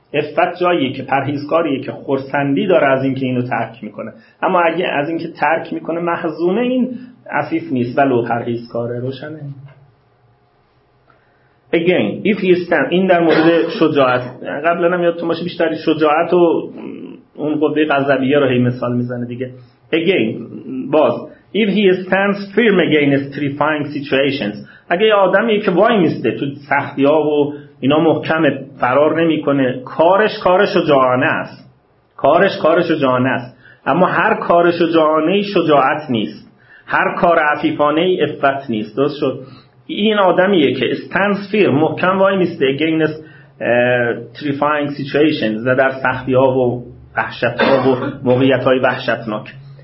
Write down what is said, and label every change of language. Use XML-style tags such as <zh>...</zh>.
<fa>عفت جاییه که پرهیزکاریه که خرسندی داره از اینکه اینو ترک میکنه، اما اگه از اینکه ترک میکنه محزونه، این عفیف نیست ولو پرهیزکاره. روشنه؟</fa> <en>Again if he stands،</en> <fa>این در مورد شجاعت، قبلا هم یادتون باشه بیشتر شجاعت و اون قوه غضبیه رو هی مثال میزنه دیگه.</fa> <en>Again, باز if he stands firm against terrifying situations.</en> <fa>اگه یه آدمی که وای میسته تو سختی ها و اینا محکم فرار نمی کنه، کارش شجاعانه است، کارش شجاعانه است، اما هر کار شجاعانه شجاعت نیست، هر کار عفیفانه عفت نیست. درست شد؟ این آدمیه که</fa> <en>stands firm،</en> <fa>محکم وای میسته</fa> <en>against terrifying situations،</en> <fa>در سختی ها و وحشت ها و موقعیت های وحشتناک.</fa>